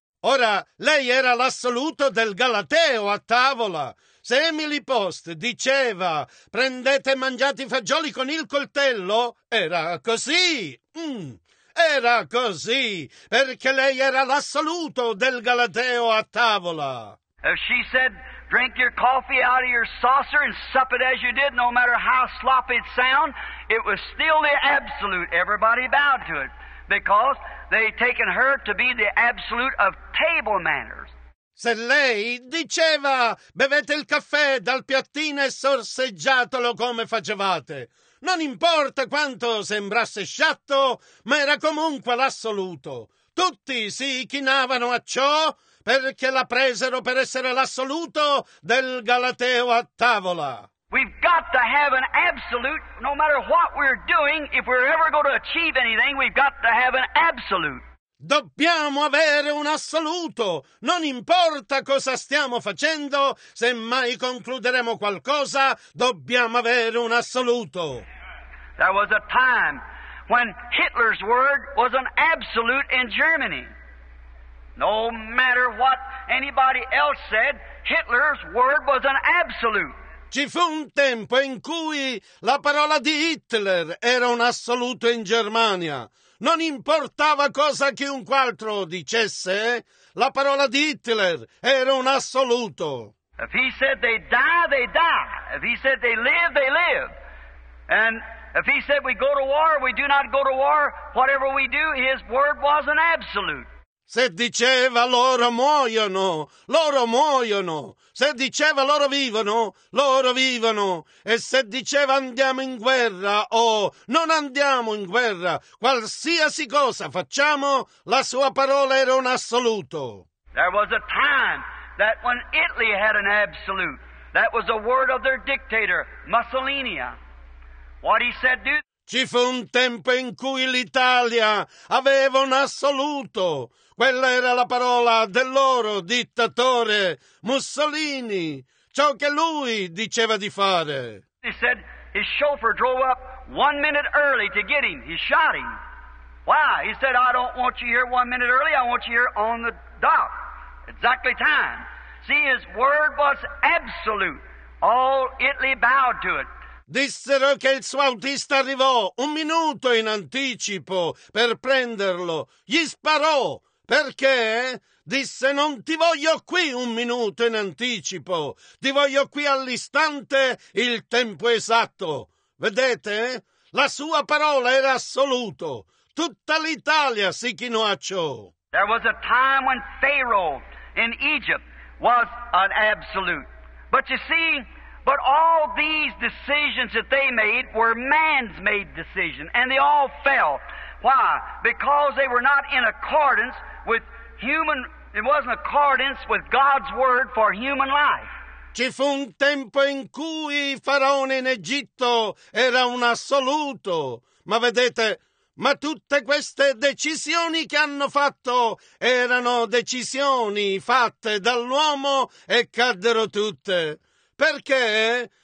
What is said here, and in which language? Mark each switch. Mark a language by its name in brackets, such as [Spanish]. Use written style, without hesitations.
[Italian] Ora, lei era l'assoluto del Galateo a tavola. Se Emily Post diceva, prendete e mangiate i fagioli con il coltello, era così. Era così, perché lei era l'assoluto del Galateo a tavola. [English] She said, drink your coffee out of your saucer and sup it as you did, no matter how sloppy it sound, it was still the absolute. Everybody bowed to it, because they taken her to be the absolute of table manners. [Italian] Se lei diceva, bevete il caffè dal piattino e sorseggiatelo come facevate, non importa quanto sembrasse sciatto, ma era comunque l'assoluto. Tutti si chinavano a ciò perché la presero per essere l'assoluto del Galateo a tavola. [English] We've got to have an absolute, no matter what we're doing, if we're ever going to achieve anything, we've got to have an absolute. [Italian] Dobbiamo avere un assoluto, non importa cosa stiamo facendo, se mai concluderemo qualcosa, dobbiamo avere un assoluto. [English] There was a time when Hitler's word was an absolute in Germany. No matter what anybody else said, Hitler's word was an absolute. [Italian] Ci fu un tempo in cui la parola di Hitler era un assoluto in Germania. Non importava cosa chiunque altro dicesse, la parola di Hitler era un assoluto. [English] If he said they die, they die. If he said they live, they live. And if he said we go to war, we do not go to war, whatever we do, his word was an absolute. [Italian] Se diceva loro muoiono, loro muoiono. Se diceva loro vivono, loro vivono. E se diceva andiamo in guerra o non andiamo in guerra, qualsiasi cosa facciamo, la sua parola era un assoluto. [English] There was a time that when Italy had an absolute, that was the word of their dictator, Mussolini. What he said, dude? [Italian] Ci fu un tempo in cui l'Italia aveva un assoluto. Quella era la parola del loro dittatore Mussolini, ciò che lui diceva di fare. [English] He said his chauffeur drove up 1 minute early to get him. He shot him. Why? He said, I don't want you here 1 minute early, I want you here on the dock. Exactly time. See, his word was absolute. All Italy bowed to it. [Italian] Dissero che il suo autista arrivò un minuto in anticipo per prenderlo. Gli sparò. Perché? Disse, non ti voglio qui un minuto in anticipo. Ti voglio qui all'istante, il tempo esatto. Vedete? La sua parola era assoluto. Tutta l'Italia si chinò a ciò. [English] There was a time when Pharaoh in Egypt was an absolute. But you see, but all these decisions that they made were man's made decision, and they all fell. Why? Because they were not in accordance with human, it wasn't accordance with God's word for human life. [Italian] Ci fu un tempo in cui Faraone in Egitto era un assoluto, ma vedete, ma tutte queste decisioni che hanno fatto erano decisioni fatte dall'uomo e caddero tutte. Perché?